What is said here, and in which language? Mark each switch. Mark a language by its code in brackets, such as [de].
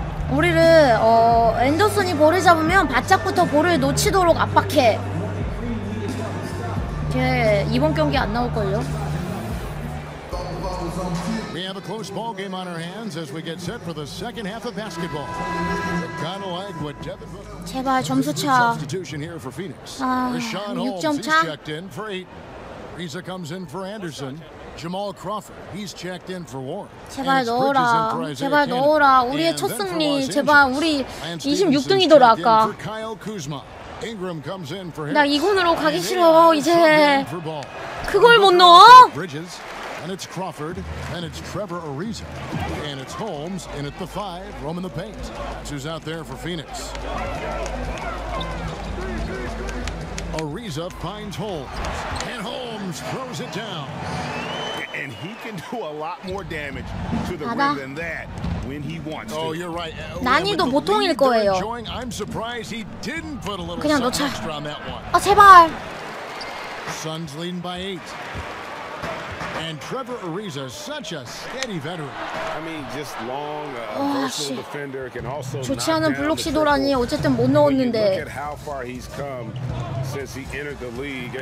[ko] 우리를 앤더슨이 볼을 잡으면 바짝부터 볼을 놓치도록 압박해. 걔 이번 경기 안 나올 걸요. [en] We have a close ball game on our hands as we get set for the second half of basketball. Kind of like what Devin. [ko] 제발 점수 차. 6점 차. [en] Reza comes in for Anderson. Jamal Crawford, he's checked in for Warren. [ko] 제발 넣어라. 제발 넣어라. 우리의 첫 승리. 제발 우리 26등이더라 아까. 나 2군으로 가기 싫어 이제. 그걸 못 넣어? [en] Bridges, and it's Crawford, and it's Trevor Ariza, and it's Holmes in at the five, roaming the paint. Who's out there for Phoenix? Ariza finds Holmes, and Holmes throws it down. And he can do a lot more damage to the rim than that when he wants to. Oh, you're right. [ko] 난이도 보통일 거예요. [en] I'm surprised he didn't put a little extra on that one. [ko] 아, 제발. [en] Suns leading by eight. And Trevor Ariza, such a steady veteran. I mean, just long, versatile defender can also. [ko] 좋지 않은 블록 시도라니 어쨌든 못 넣었는데. [en] Look at how far he's come since he entered the league.